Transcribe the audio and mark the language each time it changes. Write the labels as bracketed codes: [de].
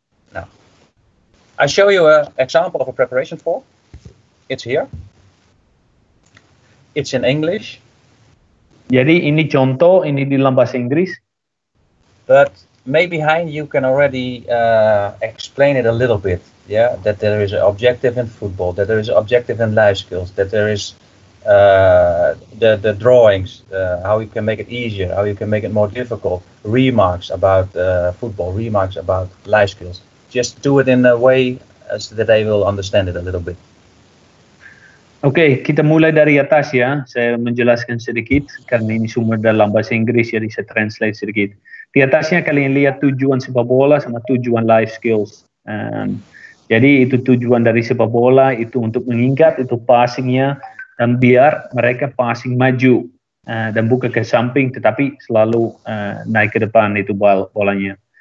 [en] Now, I show you an example of a preparation form. It's here. It's in English. [id] Jadi ini contoh, ini dalam bahasa Inggris. [en] But maybe Hein, you can already explain it a little bit, yeah. That there is an objective in football. That there is an objective in life skills. That there is the drawings. How you can make it easier. How you can make it more difficult. Remarks about football. Remarks about life skills. Just do it in a way so that they will understand it a little bit. [id] Okay, kita mulai dari atas ya. Saya menjelaskan sedikit karena ini sumber dalam bahasa Inggris, jadi saya translate sedikit. Di atasnya kalian lihat tujuan sepak bola sama tujuan life skills. Jadi itu tujuan dari sepak bola itu untuk mengingat itu passingnya dan biar mereka passing maju dan bukan ke samping tetapi selalu naik ke depan itu bolanya.